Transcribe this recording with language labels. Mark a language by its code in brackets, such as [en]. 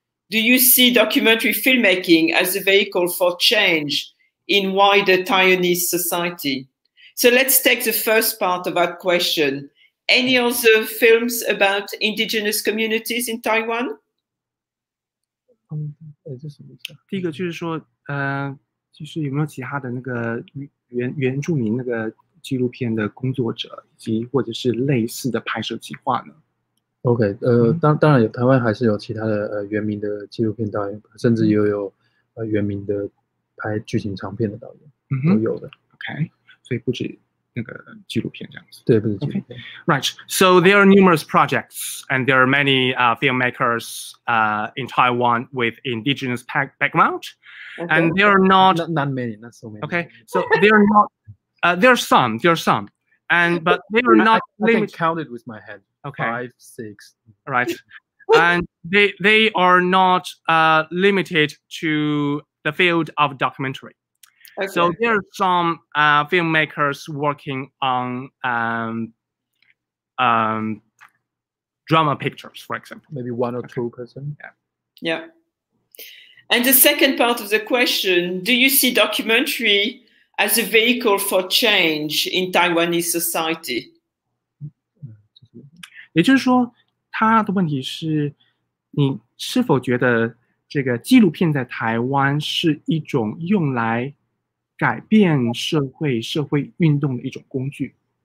[en] Do you see documentary filmmaking as a vehicle for change in wider Taiwanese society? So let's take the first part of that question. Any other films about indigenous communities in Taiwan? [zh] 这什么意思啊？第一个就是说，就是有没有其他的那个原住民那个纪录片的工作者，以及或者是类似的拍摄计划呢？OK， 当然有，台湾还是有其他的原民的纪录片导演，甚至也有原民的拍剧情长片的导演，都有的。 OK， 所以不止。那个纪录片这样子，对，不是纪录片。 [en] Okay. Right, so there are numerous projects, and there are many filmmakers in Taiwan with indigenous background, and there are not many, not so many. Okay, so there are not there are some, but they are not. I can count it with my hand. Okay, 5, 6. Right, and they are not limited to the field of documentary. Okay. So there are some filmmakers working on drama pictures, for example. Maybe one or two person. Yeah. And the second part of the question, do you see documentary as a vehicle for change in Taiwanese society? [zh] 也就是说，他的问题是，你是否觉得这个纪录片在台湾是一种用来改变社会运动的一种工具。